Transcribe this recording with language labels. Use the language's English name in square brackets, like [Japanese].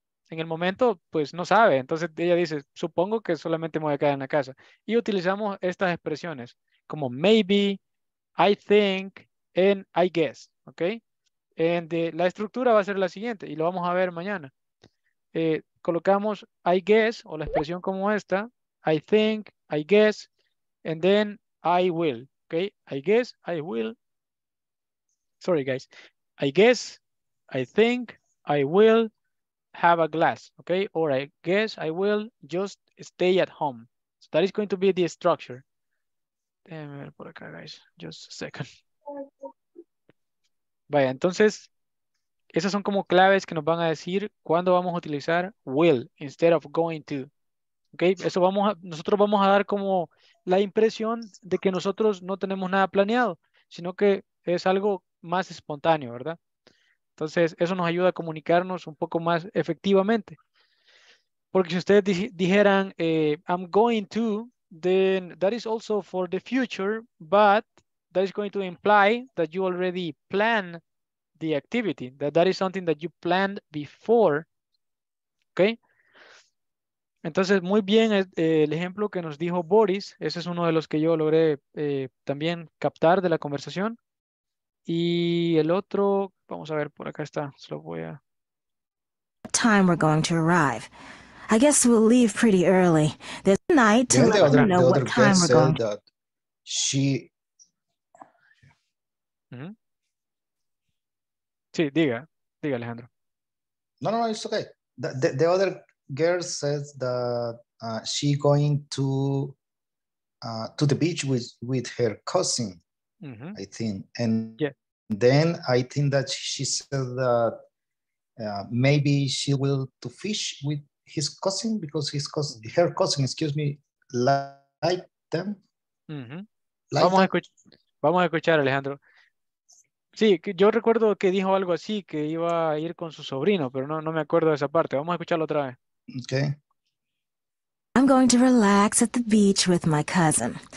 [Spanish] En el momento, pues no sabe. Entonces ella dice, supongo que solamente me voy a quedar en la casa. Y utilizamos estas expresiones como [English] maybe, I think, and I guess. ¿Ok? [Spanish] La estructura va a ser la siguiente y lo vamos a ver mañana. Colocamos [English] I guess [Spanish] o la expresión como esta. [English] I think, I guess, and then I will. ¿Ok? I guess, I will. Sorry, guys. I guess, I think, I will. Have a glass, okay? Or I guess I will just stay at home. So that is going to be the structure. [Spanish] Déjenme ver por acá, guys. [English] Just a second. [Spanish] Vaya, entonces, esas son como claves que nos van a decir cuándo vamos a utilizar [English] will instead of going to. [Spanish] Okay? Eso vamos a, nosotros vamos a dar como la impresión de que nosotros no tenemos nada planeado, sino que es algo más espontáneo, ¿verdad? Entonces, eso nos ayuda a comunicarnos un poco más efectivamente. Porque si ustedes dijeran, [English] I'm going to, then that is also for the future, but that is going to imply that you already plan the activity, that is something that you planned before. Okay? [Spanish] Entonces, muy bien el ejemplo que nos dijo Boris. Ese es uno de los que yo logré también captar de la conversación. Y el otro... Vamos a ver, por acá está. Se lo voy a... [English] What time we're going to arrive? I guess we'll leave pretty early. There's night to let you know what time we're going to... She. [Spanish] Sí, diga, diga Alejandro. [English] No, no, no, it's okay. The other girl says that she going to the beach with her cousin, I think. And then I think that she said that maybe she will to fish with his cousin because his cousin, her cousin, excuse me, like them. [Spanish] Like vamos, vamos a escuchar, Alejandro. Sí, yo recuerdo que dijo algo así, que iba a ir con su sobrino, pero no, no me acuerdo de esa parte. Vamos a escucharlo otra vez. [English] Okay. I'm going to relax at the beach with my cousin.